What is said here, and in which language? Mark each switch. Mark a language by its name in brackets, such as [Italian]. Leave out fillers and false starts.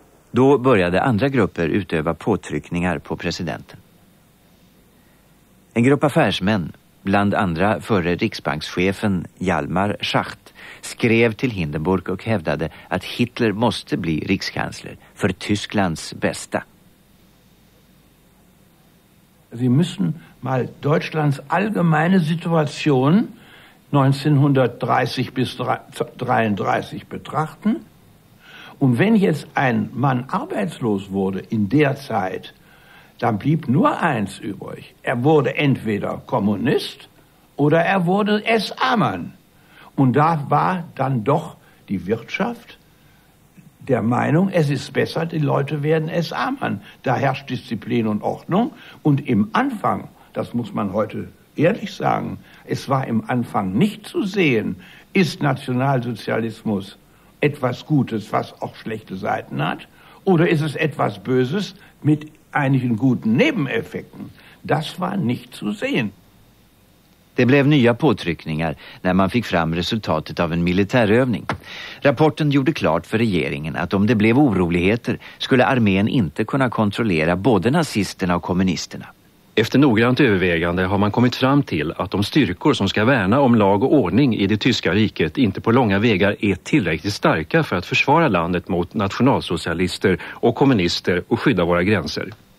[Swedish] Då började andra grupper utöva påtryckningar på presidenten. En grupp affärsmän, bland andra förre riksbankschefen Hjalmar Schacht, skrev till Hindenburg och hävdade att Hitler måste bli rikskansler för Tysklands bästa. [German] Sie müssen mal Deutschlands allgemeine Situation 1930 bis 33 betrachten. Und wenn jetzt ein Mann arbeitslos wurde in der Zeit, dann blieb nur eins übrig. Er wurde entweder Kommunist oder er wurde SA-Mann. Und da war dann doch die Wirtschaft der Meinung, es ist besser, die Leute werden SA-Mann. Da herrscht Disziplin und Ordnung. Und im Anfang, das muss man heute ehrlich sagen, es war im Anfang nicht zu sehen, ist Nationalsozialismus etwas Gutes, was auch schlechte Seiten hat, oder ist es etwas Böses mit einigen guten Nebeneffekten? Das war nicht zu sehen. [Swedish] Det blev nya påtryckningar när man fick fram resultatet av en militärövning. Rapporten gjorde klart för regeringen att om det blev oroligheter skulle armén inte kunna kontrollera både nazisterna och kommunisterna. Efter noggrant övervägande har man kommit fram till att de styrkor som ska värna om lag och ordning i det tyska riket inte på långa vägar är tillräckligt starka för att försvara landet mot nationalsocialister och kommunister och skydda våra gränser.